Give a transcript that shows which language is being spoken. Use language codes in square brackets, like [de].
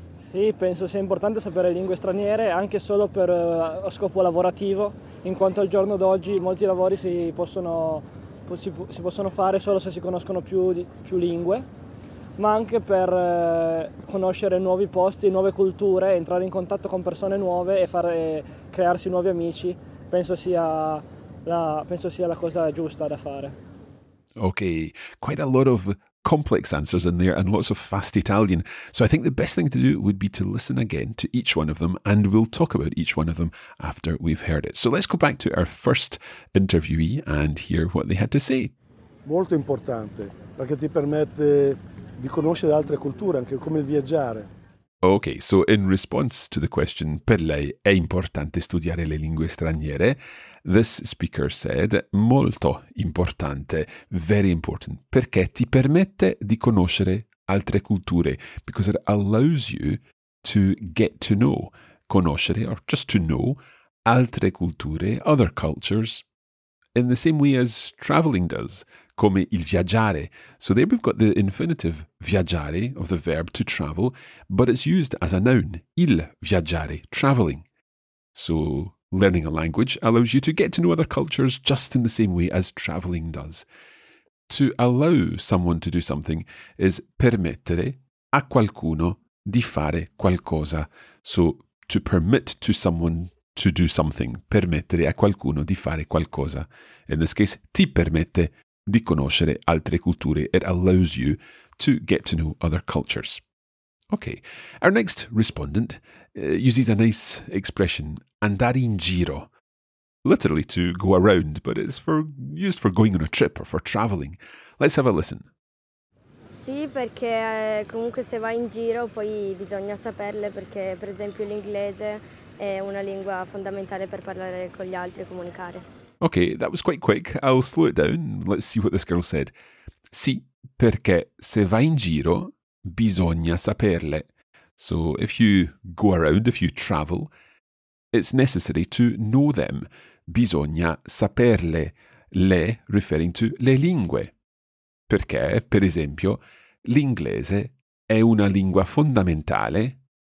[it] Sì, penso sia importante sapere lingue straniere anche solo per a scopo lavorativo, in quanto al giorno d'oggi molti lavori si possono fare solo se si conoscono più lingue, ma anche per conoscere nuovi posti, nuove culture, entrare in contatto con persone nuove e crearsi nuovi amici, penso sia la cosa giusta da fare. [en] Ok, quite a lot of complex answers in there and lots of fast Italian, so I think the best thing to do would be to listen again to each one of them and we'll talk about each one of them after we've heard it. So let's go back to our first interviewee and hear what they had to say. [it] Molto importante perché ti permette di conoscere altre culture, anche come il viaggiare. [en] Okay, so in response to the question, [it] per lei è importante studiare le lingue straniere? [en] This speaker said, [it] molto importante, [en] very important, [it] perché ti permette di conoscere altre culture, [en] because it allows you to get to know, conoscere, or just to know, [it] altre culture, [en] other cultures, in the same way as traveling does, [it] come il viaggiare. [en] So there we've got the infinitive viaggiare of the verb to travel, but it's used as a noun, [it] il viaggiare, [en] traveling. So learning a language allows you to get to know other cultures just in the same way as traveling does. To allow someone to do something is [it] permettere a qualcuno di fare qualcosa. [en] So to permit to someone to do something, [it] permettere a qualcuno di fare qualcosa. [en] In this case, [it] ti permette di conoscere altre culture. [en] It allows you to get to know other cultures. Okay, our next respondent uses a nice expression, [it] andare in giro. [en] Literally to go around, but it's used for going on a trip or for traveling. Let's have a listen. [it] Sì, perché comunque se vai in giro poi bisogna saperle, perché per esempio l'inglese è una lingua fondamentale per parlare con gli altri e comunicare. [en] Okay, that was quite quick. I'll slow it down. Let's see what this girl said. [it] Sì, perché se vai in giro, bisogna saperle. [en] So if you go around, if you travel, it's necessary to know them. [it] Bisogna saperle. Le, [en] referring to [it] le lingue. Perché, per esempio, l'inglese è una lingua fondamentale.